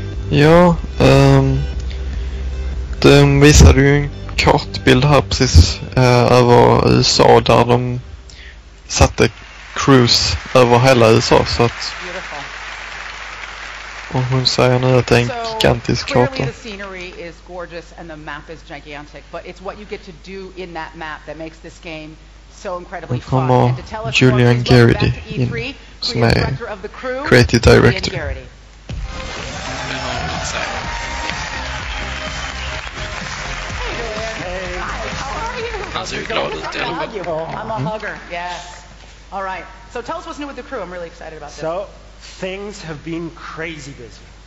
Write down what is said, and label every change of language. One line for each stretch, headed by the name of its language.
Swedish: Ja, de visade ju en kartbild här precis över USA där de satte crews över hela USA så att... Och hon säger nu att det är en gigantisk karta.
English: The scenery is gorgeous and the map is gigantic, but it's what you get to do in that map that makes this game so incredibly fun. And to tell us Julian Garrity in,
Swedish: som är
English: creative director. Hey, how are you? How's it going? I'm a hugger. Yes. All right. So tell us what's new with the crew. I'm really excited about this. So things have been crazy busy.